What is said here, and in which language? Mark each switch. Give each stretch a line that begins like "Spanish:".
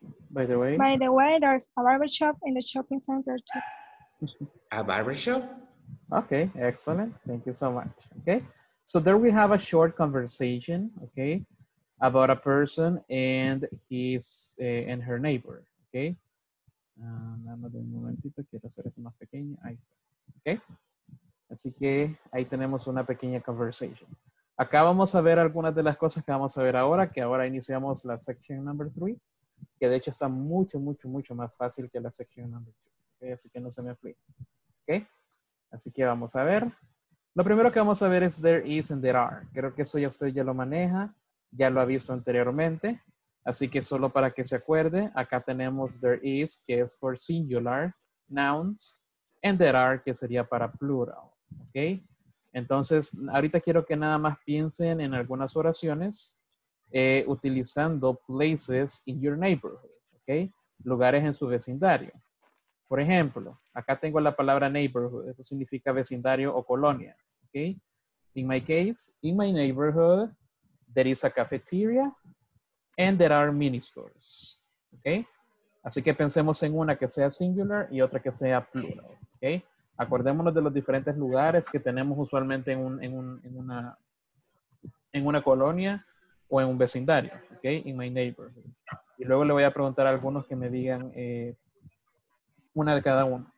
English: By the way, there's a barber shop in the shopping center too. A barbershop? Okay, excellent. Thank you so much. Okay, so there we have a short conversation, okay, about a person and his and her neighbor.
Spanish: Okay, un momentito, quiero hacer esto más pequeño. Ahí está. Okay, así que ahí tenemos una pequeña conversation. Acá vamos a ver algunas de las cosas que vamos a ver ahora, que ahora iniciamos la
English: section number 3,
Spanish: que de hecho está mucho, mucho, mucho más fácil que la
English: section number 2.
Spanish: Okay, así que no se me aplica. Okay? Así que vamos a ver. Lo primero que vamos a ver es
English: there is and there are.
Spanish: Creo que eso ya usted ya lo maneja. Ya lo ha visto anteriormente. Así que solo para que se acuerde, acá tenemos
English: there is,
Spanish: que es
English: for singular nouns. And there are,
Spanish: que sería para plural. Okay? Entonces, ahorita quiero que nada más piensen en algunas oraciones utilizando
English: places in your neighborhood.
Spanish: Okay? Lugares en su vecindario. Por ejemplo, acá tengo la palabra neighborhood. Eso significa vecindario o colonia. Okay?
English: In my case, in my neighborhood, there is a cafeteria and there are mini stores. Okay?
Spanish: Así que pensemos en una que sea singular y otra que sea plural. ¿Okay? Acordémonos de los diferentes lugares que tenemos usualmente en una colonia o en un vecindario. ¿Okay?
English: In my neighborhood.
Spanish: Y luego le voy a preguntar a algunos que me digan una de cada uno.